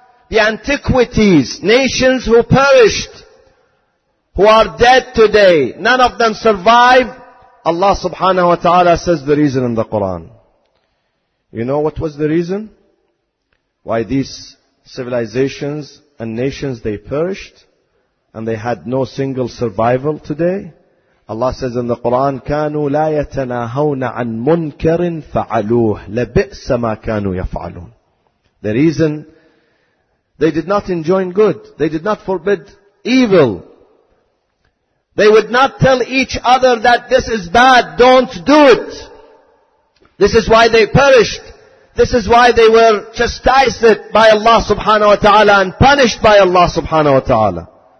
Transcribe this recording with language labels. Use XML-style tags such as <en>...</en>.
<en>the antiquities, nations who perished, who are dead today, none of them survived. Allah subhanahu wa ta'ala says the reason in the Quran. You know what was the reason? Why these civilizations and nations, they perished and they had no single survival today? Allah says in the Quran,</en> <ar>كَانُوا لَا يَتَنَاهَوْنَ عَنْ مُنْكَرٍ فَعَلُوهُ لَبِئْسَ مَا كَانُوا يَفْعَلُونَ.</ar> <en>The reason, they did not enjoin good. They did not forbid evil. They would not tell each other that this is bad, don't do it. This is why they perished. This is why they were chastised by Allah subhanahu wa ta'ala and punished by Allah subhanahu wa ta'ala.</en>